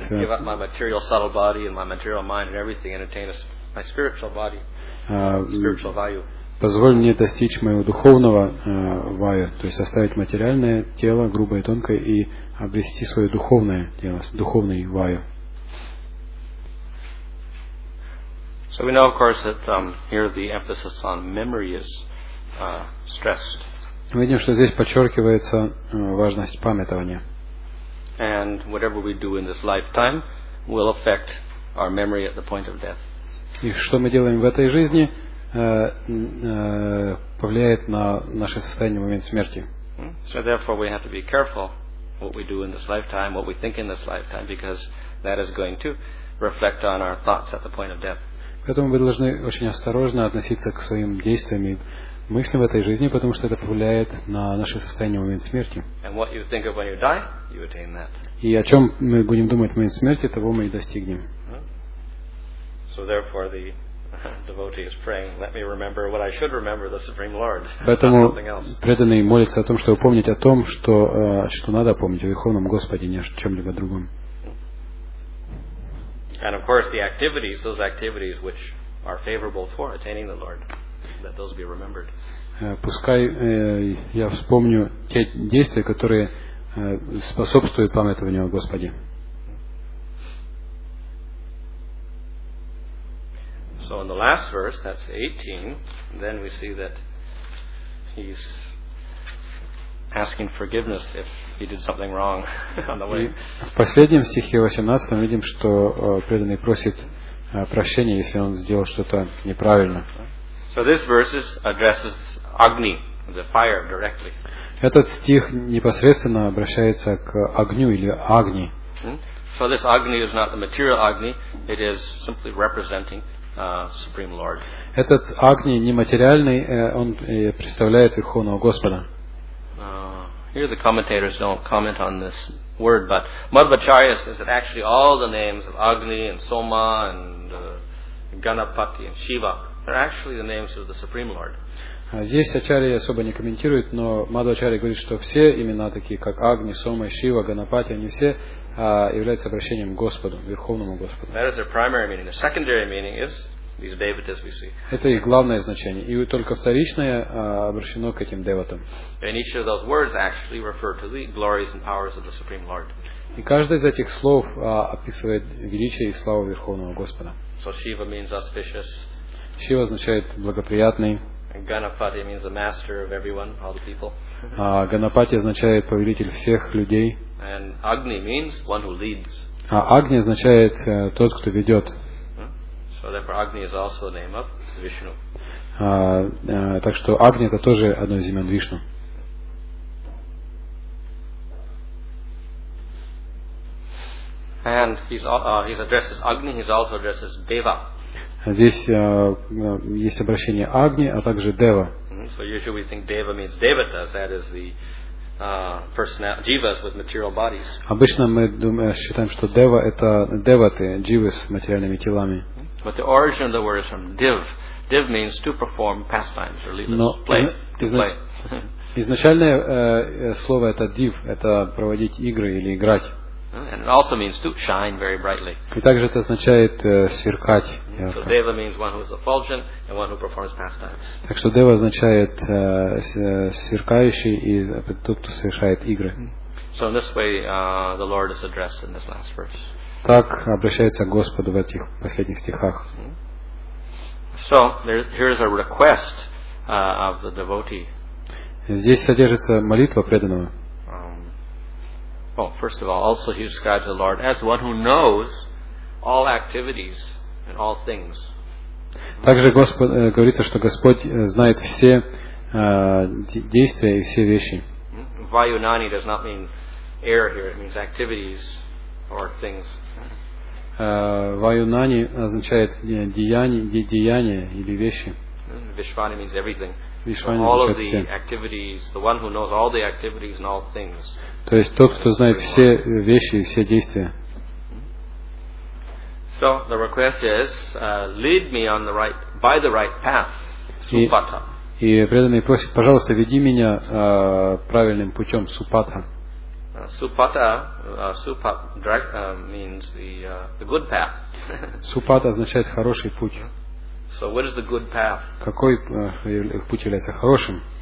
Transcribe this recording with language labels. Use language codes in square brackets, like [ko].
[en] Give up my material subtle body and my material mind and everything, and attain my spiritual body, spiritual value. [ru] Позволь мне достичь моего духовного вая, то есть оставить материальное тело, грубое и тонкое, и обрести свое духовное тело, духовный вая. [en] So we know, of course, that here the emphasis on memory is stressed. [ru] Мы видим, что здесь подчеркивается важность памятования. [en] And whatever we do in this lifetime will affect our memory at the point of death. [ru] И что мы делаем в этой жизни, повлияет на наше состояние в момент смерти. [en] So therefore we have to be careful what we do in this lifetime, what we think in this lifetime, because that is going to reflect on our thoughts at the point of death. [ru] Поэтому мы должны очень осторожно относиться к своим действиям и мыслям в этой жизни, потому что это повлияет на наше состояние в момент смерти. [en] And what you think of when you die, you attain that. [ru] И о чем мы будем думать в момент смерти, того мы и достигнем. [en] So therefore the devotee is praying, let me remember what I should remember, the Supreme Lord. [ru] Поэтому преданный молится о том, чтобы помнить о том, что что надо помнить о Верховном Господе, не о чем-либо другом. [en] And of course the activities, those activities which are favorable for attaining the Lord, let those be remembered. [ru] Пускай я вспомню те действия, которые способствуют памятованию о Господе. [en] So in the last verse, that's 18, then we see that he's asking forgiveness if he did something wrong on the way. [ru] В последнем стихе 18 видим, что преданный просит прощения, если он сделал что-то неправильно. [en] So this verse addresses Agni, the fire, directly. [ru] Этот стих непосредственно обращается к огню или Агни. [en] So this Agni is not the material Agni, it is simply representing Supreme Lord. [ru] Этот огонь не материальный, он представляет Верховного Господа. [en] Here the commentators don't comment on this word, but Madhvacharya says that actually all the names of Agni and Soma and Ganapati and Shiva are actually the names of the Supreme Lord. [ru] Здесь Ачарья особо не комментирует, но Мадхвачарья говорит, что все имена такие как Агни, Сома, Шива, Ганапати, они все является обращением к Господу, Верховному Господу. [en] That is their primary meaning. The secondary meaning is these devatas we see. [ru] Это их главное значение. И только вторичное обращено к этим деватам. [en] And each of those words actually refer to the glories and powers of the Supreme Lord. [ru] И каждое из этих слов описывает величие и славу Верховного Господа. [en] So Shiva means auspicious. [ru] Шива означает благоприятный. [en] And Ganapati means the master of everyone, all the people. [ru] Ганапати означает повелитель всех людей. [en] And Agni means one who leads. [ru] А Агни означает тот, кто ведет. [en] So therefore Agni is also the name of Vishnu. [ru] Так что Агни это тоже одно из имен Вишну. [en] And he addresses Agni, he also addresses Deva. [ru] Здесь есть обращение Агни, а также Дева. [en] So usually we think Deva means Devatas, that is the personal jivas with material bodies. [ru] Обычно мы считаем, что дева это деваты, дживы с материальными телами. [en] But the origin of the word is from div. Div means to perform pastimes or leave play. [ru] Изначальное слово это div, это проводить игры или играть. [en] And it also means to shine very brightly. [ru] И также это означает сверкать. [en] So deva means one who is effulgent and one who performs pastimes. [ru] Так что дева означает сверкающий и тот, кто совершает игры. [en] So in this way, the Lord is addressed in this last verse. [ru] Так обращается Господу в этих последних стихах. [en] So here is a request of the devotee. [ru] Здесь содержится молитва преданного. [en] Well, first of all, also he describes the Lord as one who knows all activities and all things. [ru] Также Господь говорится, что Господь знает все действия и все вещи. [en] Vayunani does not mean air here; it means activities or things. [ru] Vayunani означает деяния или вещи. [en] Vishvani means everything. Vishvani all of the activities, the one who knows all the activities and all things. [ru] То есть тот, кто знает все вещи и все действия. [en] So the request is, lead me on the right, by the right path, Supatha. [ru] И преданный просит, пожалуйста, веди меня правильным путем, Supatha. [en] Supatha, means the good path. [ru] Supatha означает хороший путь. [en] So what is the good path? [ru] Какой путь является хорошим?